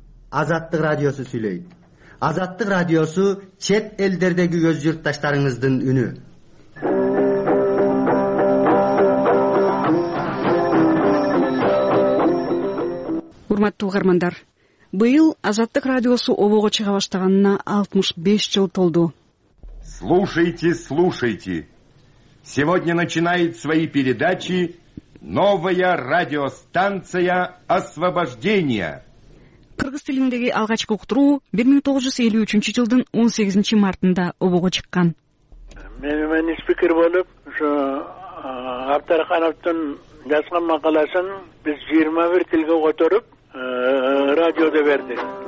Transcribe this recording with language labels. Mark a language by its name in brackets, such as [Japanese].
[Kyrgyz] Азаттык радиосу сүйлөйт. Азаттык радиосу чет элдердеги өз журтташтарыңыздын үнү. Урматтуу угармандар, быйыл Азаттык радиосу обого чыга баштаганына 65 жыл толду. [Russian] Слушайте, слушайте. Сегодня начинает свои передачи новая радиостанция Освобождения. [Kyrgyz] Кыргыз тилиндеги алгачкы уктуруу 1953 жылдын 18 мартында обого чыккан. Мен спикер болуп, ошо Абдыркановдун жазган макаласын биз 21 тилге которуп радиодо берди.